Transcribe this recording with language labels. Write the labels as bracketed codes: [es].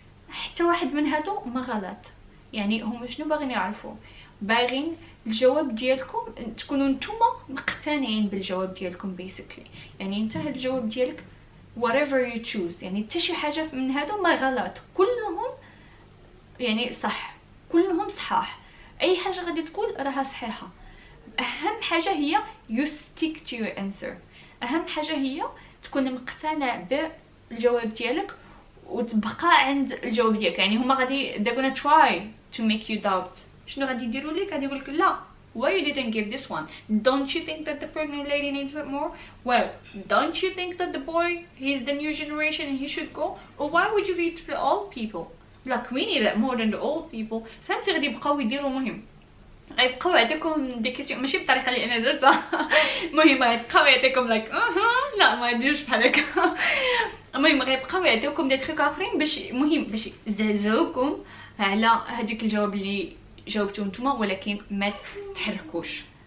[ar] حتى واحد من هادو ما غلط، يعني هما شنو باغين يعرفوا؟ باغين الجواب ديالكم تكونوا نتوما مقتنعين بالجواب ديالكم بيسيكلي، يعني انت هاد الجواب ديالك [en] whatever you choose [ar] يعني حتى شي حاجه من هادو ما غلط كلهم يعني صح كلهم صحاح، اي حاجه غادي تقول راها صحيحه، اهم حاجه هي [en] you stick to your answer، [ar] اهم حاجه هي تكون مقتنع بالجواب ديالك وتبقى عند الجواب ديالك. يعني هما غادي [en] they're gonna try to make you doubt [ar] شنو غادي يديروا لك، غادي يقول لك لا [en] why you didn't give this one don't you think that the pregnant lady needs it more well don't you think that the boy he's the new generation and he should go or why would you wait for old people like we need it more than the old people، [ar] فهمتي غادي يبقاو يديروا. مهم غيبقاو عندكم [en] دي كيسيون [ar] ماشي بالطريقه اللي انا درتها. المهم غيبقاو عندكم لايك لا ما يديروش بحال هكا. المهم غيبقاو عندكم [en] دي تروك [ar] اخرين باش المهم باش يزعزعوكم على هذيك الجواب اللي جاوبتو نتوما، ولكن ما تحركوش.